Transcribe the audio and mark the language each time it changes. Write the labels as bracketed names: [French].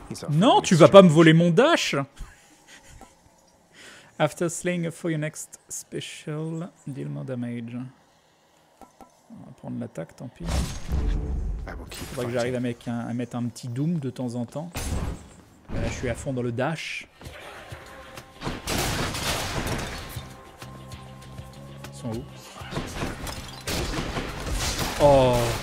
[French] Non, tu vas pas me voler mon dash. [English] After slaying for your next special, deal more damage. [French] On va prendre l'attaque, tant pis. Faudrait que j'arrive à mettre un petit doom de temps en temps. Là, je suis à fond dans le dash. Ils sont où? Oh.